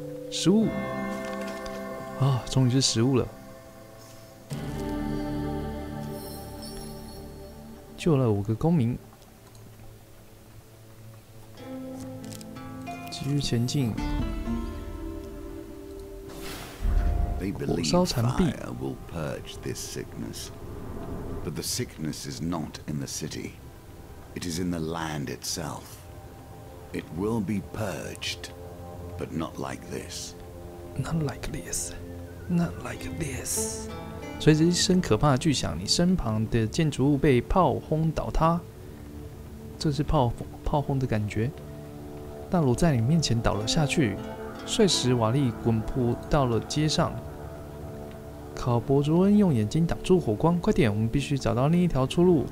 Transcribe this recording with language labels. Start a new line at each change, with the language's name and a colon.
Chinese: 食物啊，终于是食物了。救了五个公民，继续前进。火烧残壁
English: fire will purge this sickness, but the sickness is not in the city, it is in the land itself. It will be purged, but not like this. Not like this, not like this.
Chinese: 随着一声可怕的巨响，你身旁的建筑物被炮轰倒塌。这是炮轰的感觉。大楼在你面前倒了下去，碎石瓦砾滚铺到了街上。考伯卓恩用眼睛挡住火光，快点，我们必须找到另一条出路。